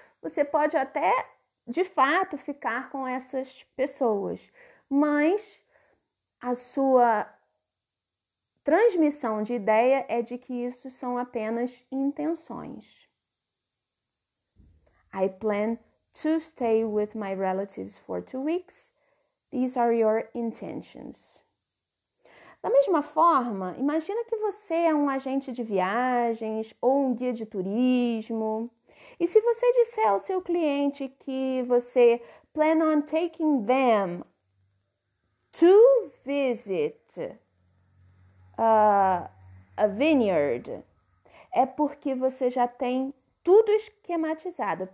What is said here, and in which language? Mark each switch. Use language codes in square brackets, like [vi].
[pt] Você pode até, de fato, ficar com essas pessoas, mas a sua transmissão de ideia é de que isso são apenas intenções. [en] "I plan to stay with my relatives for 2 weeks. These are your intentions." [pt] Da mesma forma, imagina que você é um agente de viagens ou um guia de turismo. E se você disser ao seu cliente que você [en] plan on taking them to visit a vineyard, [pt] é porque você já tem tudo esquematizado.